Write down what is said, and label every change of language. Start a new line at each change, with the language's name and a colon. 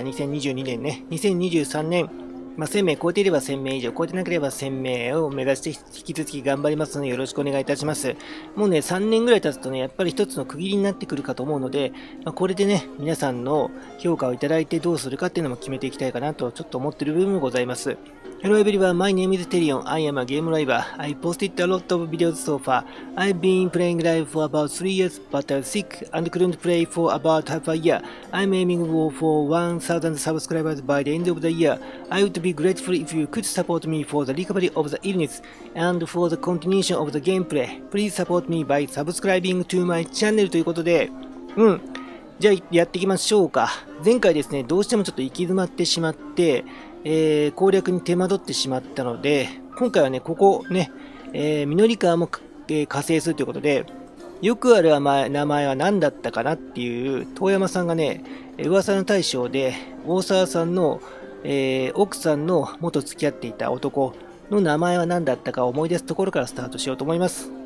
Japanese: 2022年、ね、2023年、まあ、1000名超えていれば1000名以上、超えてなければ1000名を目指して引き続き頑張りますので、よろしくお願いいたします。もうね、3年ぐらい経つとね、やっぱり一つの区切りになってくるかと思うので、まあ、これでね、皆さんの評価をいただいてどうするかっていうのも決めていきたいかなと、ちょっと思ってる部分もございます。
English: Hello everyone, my name is Terion. I am a game writer. I posted a lot of videos so far. I've been playing live for about 3 years, but I'm sick and couldn't play for about half a year. I'm aiming for 1,000 subscribers by the end of the year. I would be grateful if you could support me for the recovery of the illness and for the continuation of the gameplay. Please support me by subscribing to my channel
Japanese: ということで。うん。じゃあ、やっていきましょうか。前回ですね、どうしてもちょっと行き詰まってしまって、攻略に手間取ってしまったので、今回はね、ここね、ミノリカーも、加勢するということで、よくある名前は何だったかなっていう、遠山さんがね、噂の大将で、大沢さんの、奥さんの元付き合っていた男の名前は何だったか思い出すところからスタートしようと思います。